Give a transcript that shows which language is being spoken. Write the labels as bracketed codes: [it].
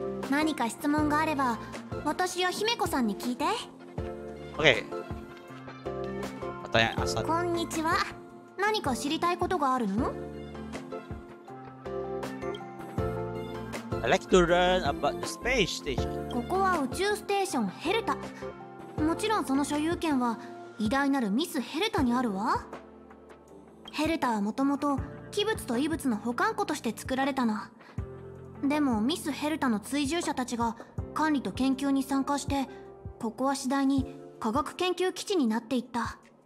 [ja] 何か質問があれば私や姫子さんに聞いて。 OK。 またや、朝。こんにちは。何か知りたいことがあるの？ [en] I'd like to learn about the space station. [ja] ここは宇宙ステーションヘルタ。もちろんその所有権は偉大なるミス・ヘルタにあるわ。ヘルタはもともと器物と異物の保管庫として作られたの。でもミス・ヘルタの追従者たちが管理と研究に参加して、ここは次第に科学研究基地になっていった。